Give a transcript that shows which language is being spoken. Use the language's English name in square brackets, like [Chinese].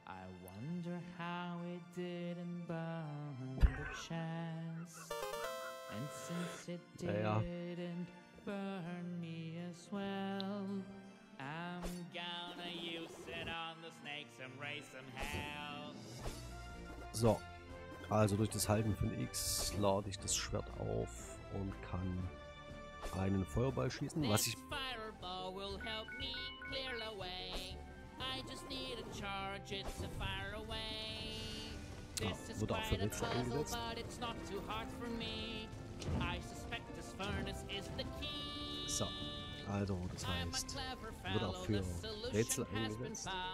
[English] I wonder how it didn't burn the chest. And since it didn't burn me as well, I'm gonna use it on the snakes and raise some hell. So. [German] Also durch das Halten von X lade ich das Schwert auf und kann einen Feuerball schießen, was ich... [English] Fireball will help me clear the way. I just need a charge, it's a fire away. This is quite a puzzle, but it's not too hard for me. I suspect this furnace is the key. [German] So, also das heißt, wird auch für Rätsel eingesetzt.